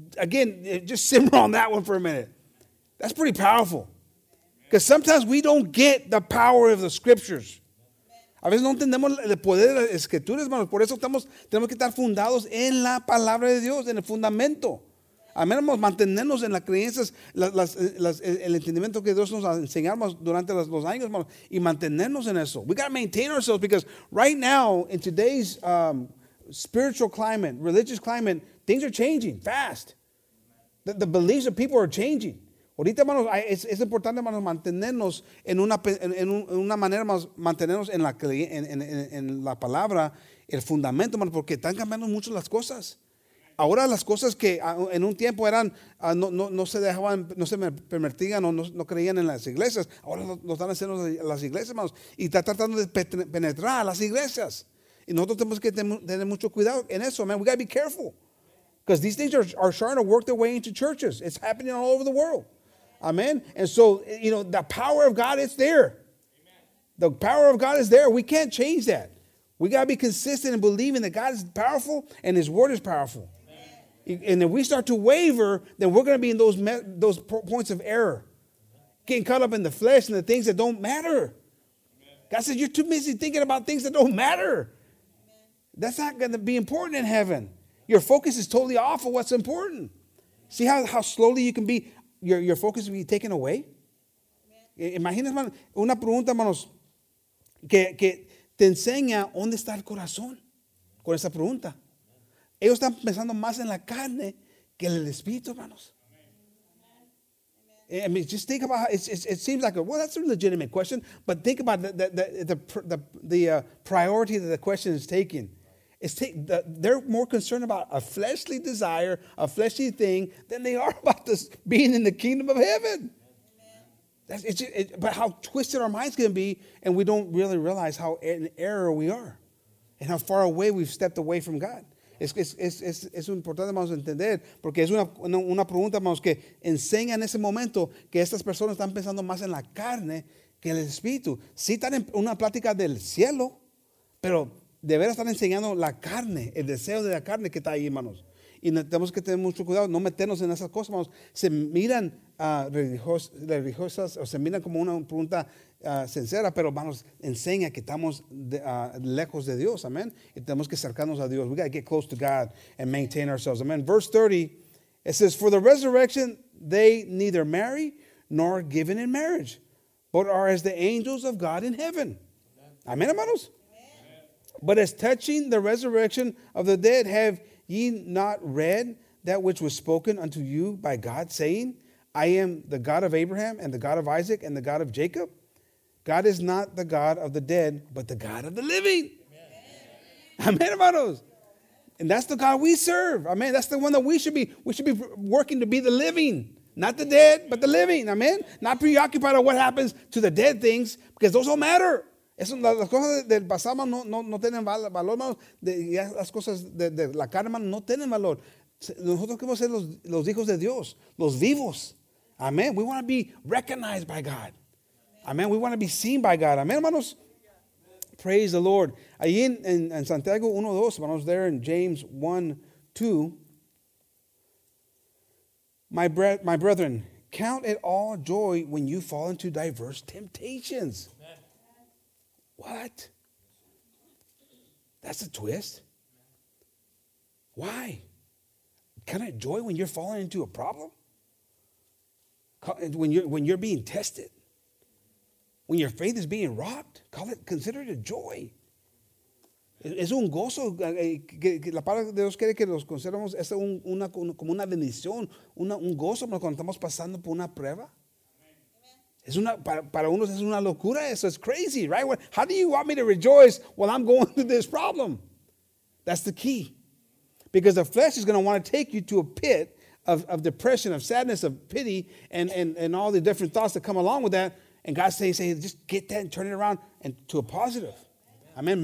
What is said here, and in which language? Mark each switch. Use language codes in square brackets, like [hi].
[en] Just simmer on that one for a minute. That's pretty powerful. Because sometimes we don't get the power of the scriptures. [es] A veces no entendemos el poder de las escrituras, hermanos. Por eso tenemos que estar fundados en la palabra de Dios, en el fundamento. Amén, hermanos, mantenernos en las creencias, el entendimiento que Dios nos ha enseñado durante los años, hermanos, y mantenernos en eso. [en] We got to maintain ourselves because right now, in today's spiritual climate, religious climate, things are changing fast. The beliefs of people are changing. [es] Ahorita, hermanos, es importante, hermanos, mantenernos en una manera, hermanos, mantenernos en la palabra, el fundamento, hermanos, porque están cambiando mucho las cosas. Ahora las cosas que en un tiempo eran, no se dejaban, no se permitían o no creían en las iglesias, ahora lo están haciendo las iglesias, hermanos, y está tratando de penetrar a las iglesias. Y nosotros tenemos que tener mucho cuidado en eso, man. [en] We got to be careful. Because these things are starting to work their way into churches. It's happening all over the world. Amen. And so, you know, the power of God is there. Amen. The power of God is there. We can't change that. We got to be consistent in believing that God is powerful and his word is powerful. Amen. And if we start to waver, then we're going to be in those points of error. Amen. Getting caught up in the flesh and the things that don't matter. Amen. God says, you're too busy thinking about things that don't matter. Amen. That's not going to be important in heaven. Your focus is totally off of what's important. See how slowly you can be, your focus will be taken away? [es] Imagínate, hermano, una pregunta, hermanos, que te enseña dónde está el corazón con esa pregunta. Ellos están pensando más en la carne que en el espíritu, hermanos. [en] I mean, just think about how it seems like, well, that's a legitimate question, but think about the priority that the question is taking. They're more concerned about a fleshly desire, a fleshly thing, than they are about this being in the kingdom of heaven. But how twisted our minds can be, and we don't really realize how in error we are, and how far away we've stepped away from God. [es] Es importante, vamos a entender, porque es una pregunta, vamos, que enseña en ese momento que estas personas están pensando más en la carne que en el espíritu. Sí están en una plática del cielo, pero de veras están enseñando la carne, el deseo de la carne que está ahí, hermanos. Y tenemos que tener mucho cuidado, no meternos en esas cosas, hermanos. Se miran religiosas, o se miran como una pregunta sincera, pero, hermanos, enseña que estamos lejos de Dios, amén. Y tenemos que acercarnos a Dios. [en] We got to get close to God and maintain ourselves, amén. Verse 30, it says, for the resurrection, they neither marry nor are given in marriage, but are as the angels of God in heaven. Amén, hermanos. But as touching the resurrection of the dead, have ye not read that which was spoken unto you by God, saying, I am the God of Abraham and the God of Isaac and the God of Jacob? God is not the God of the dead, but the God of the living. Amen, hermanos. And that's the God we serve. Amen. That's the one that we should be. We should be working to be the living, not the dead, but the living. Amen. Not preoccupied on what happens to the dead things, because those don't matter. [es] Las cosas del pasado no tienen valor, hermanos. Las cosas de la carne, hermanos, no tienen valor. Nosotros queremos ser los hijos de Dios, los vivos. [en] Amen. We want to be recognized by God. Amen. We want to be seen by God. Amen, hermanos. Praise the Lord. [es] Ahí en Santiago 1:2, hermanos, [en] there in James 1:2. My brethren, count it all joy when you fall into diverse temptations. What? That's a twist. Why? Can I joy when you're falling into a problem? When you're being tested? When your faith is being rocked? Consider it a joy. [es] Es un gozo. La palabra de Dios quiere que los consideremos es como una bendición, un gozo cuando estamos pasando por una prueba. Es una, para unos es una locura eso, [en] it's crazy, right? How do you want me to rejoice while I'm going through this problem? That's the key. Because the flesh is going to want to take you to a pit of depression, of sadness, of pity, and all the different thoughts that come along with that. And God's saying, just get that and turn it around into a positive. Amen.